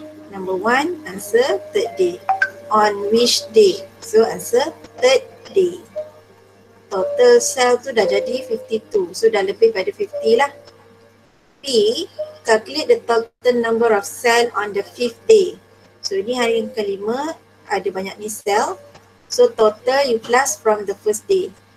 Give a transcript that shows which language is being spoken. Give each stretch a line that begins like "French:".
English: Number one, answer third day. On which day? So answer third day.
Malay: Total cell tu dah jadi 52. So dah lebih pada 50 lah.
English: B, calculate the total number of cell on the fifth day.
Malay: So ini hari yang kelima, ada banyak ni cell.
English: So total you plus from the first day.